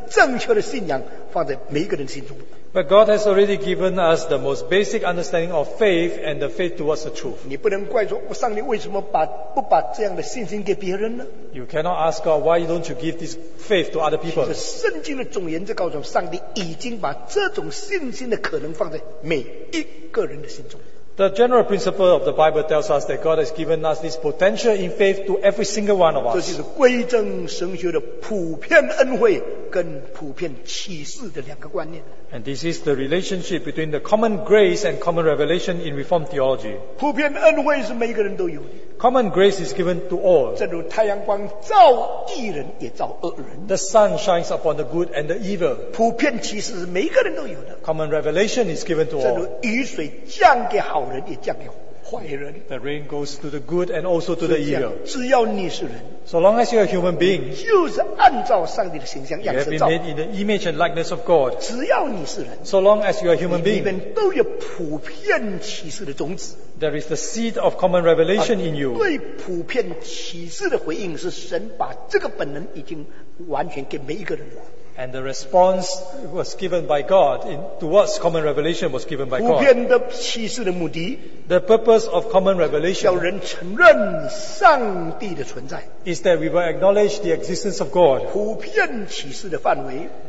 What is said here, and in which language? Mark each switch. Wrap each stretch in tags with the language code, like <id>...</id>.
<zh>但我告诉你,上帝已经把最基本的真理跟对真理的正确的信仰放在每一个人心中。</zh> <en>But God has already given us the most basic understanding of faith and the faith towards the truth.</en> <zh>你不能怪说,上帝为什么不把这样的信心给别人呢?</zh> <en>You cannot ask God, why don't you give this faith to other people?</en> <zh>其实圣经的总言就告诉我们,上帝已经把这种信心的可能放在每一个人的心中。</zh> <en>The general principle of the Bible tells us that God has given us this potential in faith to every single one of us.</en> <zh>这就是归正神学的普遍恩惠跟普遍启示的两个观念。</zh> <en>And this is the relationship between the common grace and common revelation in Reformed theology.</en> <zh>普遍恩惠是每一个人都有的。</zh> <en>Common grace is given to all.</en> <zh>正如太阳光照义人也照恶人。</zh> <en>The sun shines upon the good and the evil.</en> <zh>普遍启示是每一个人都有的。</zh> <en>Common revelation is given to all.</en> <zh>正如雨水降给好人也降给坏人。</zh> <en>The rain goes to the good and also to the evil.</en> <zh>只要你是人。</zh> <en>So long as you are a human being,</en> <zh>就是按照上帝的形象样式造,</zh> <en>you have been made in the image and likeness of God.</en> <zh>只要你是人,</zh> <en>so long as you are a human being,</en> <zh>里面都有普遍启示的种子,</zh> <en>there is the seed of common revelation in you.</en> <zh>对普遍启示的回应是神把这个本能已经完全给每一个人了。</zh> <en>And the response was given by God in, towards common revelation was given by God.</en> <zh>普遍的启示的目的,</zh> <en>the purpose of common revelation</en> <zh>叫人承认上帝的存在,</zh> <en>is that we will acknowledge the existence of God.</en> <zh>普遍启示的范围,</zh>